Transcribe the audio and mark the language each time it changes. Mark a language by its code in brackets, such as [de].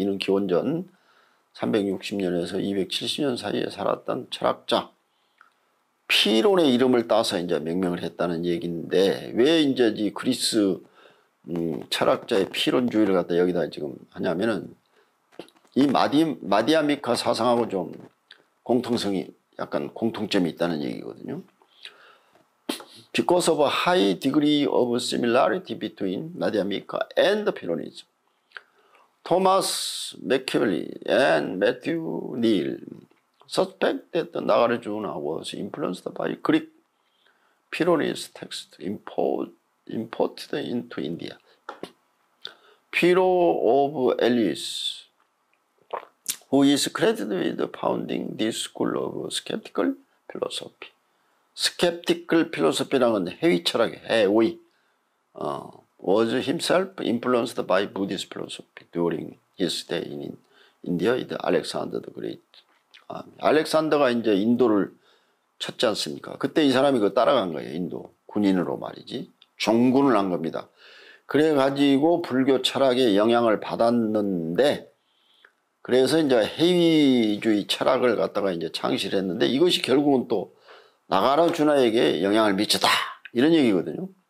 [ko] 이는 기원전 360년에서 270년 사이에 살았던 철학자 피론의 이름을 따서 이제 명명을 했다는 얘기인데, 왜 이제 이 그리스, 철학자의 피론주의를 갖다 여기다 지금 하냐면은, 이 마디아미카 사상하고 좀 공통성이, 약간 공통점이 있다는 얘기거든요. [en] Because of a high degree of similarity between Madhyamika and Pironism, Thomas Machiavelli and Matthew Neal, suspect that the Nagarjuna was influenced by Greek Pironist text imported into India. Piro of Elis, who is credited with founding this school of skeptical philosophy. Skeptical philosophy라는 [ko] 해위 철학, 해위, [en] was himself influenced by Buddhist philosophy during his stay in India with Alexander the Great. [ko] 알렉산더가 이제 인도를 쳤지 않습니까? 그때 이 사람이 그 따라간 거예요. 인도 군인으로 말이지 종군을 한 겁니다. 그래 가지고 불교 철학의 영향을 받았는데 그래서 이제 해위주의 철학을 갖다가 이제 창시했는데 이것이 결국은 또 나가라주나에게 영향을 미쳤다 이런 얘기거든요.